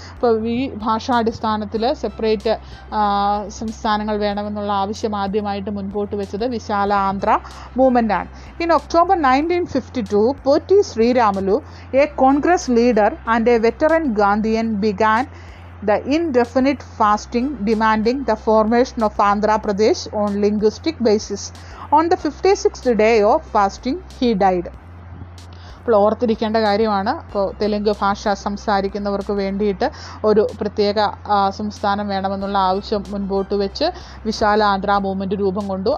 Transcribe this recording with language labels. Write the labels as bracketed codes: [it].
[ml] അപ്പോൾ ഈ ഭാഷാടിസ്ഥാനത്തിൽ സെപ്പറേറ്റ് സംസ്ഥാനങ്ങൾ വേണമെന്നുള്ള ആവശ്യം ആദ്യമായിട്ട് മുൻപോട്ട് വെച്ചത് വിശാല ആന്ധ്ര മൂവ്മെൻ്റ് ആണ്. [en] In October 1952 Potti Sriramulu, a Congress leader and a veteran Gandhian, began the indefinite fasting demanding the formation of Andhra Pradesh on linguistic basis. On the 56th day of fasting he died. [ml] അപ്പോൾ ഓർത്തിരിക്കേണ്ട കാര്യമാണ്, അപ്പോൾ തെലുങ്ക് ഭാഷ സംസാരിക്കുന്നവർക്ക് വേണ്ടിയിട്ട് ഒരു പ്രത്യേക സംസ്ഥാനം വേണമെന്നുള്ള ആവശ്യം മുൻപോട്ട് വെച്ച് വിശാല ആന്ധ്ര മൂവ്മെൻറ്റ് രൂപം കൊണ്ടു.